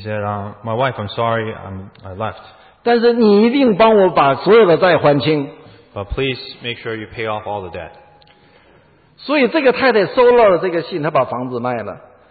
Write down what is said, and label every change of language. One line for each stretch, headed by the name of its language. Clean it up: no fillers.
English: said, "My wife, I'm sorry, I left."
Chinese: 但是你一定帮我把所有的债还清。But
English: please make sure you pay off all the debt.
Chinese: 所以这个太太收了这个信，她把房子卖了。